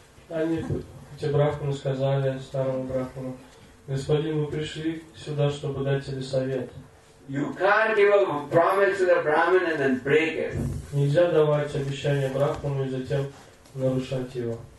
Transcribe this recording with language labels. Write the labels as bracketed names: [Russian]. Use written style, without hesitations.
[Russian] Они, эти брахманы, сказали старому брахману, господин, мы пришли сюда, чтобы дать тебе совет. [English] You can't give a promise to the brahman and then break it. [Russian] Нельзя давать обещание брахману и затем нарушать его.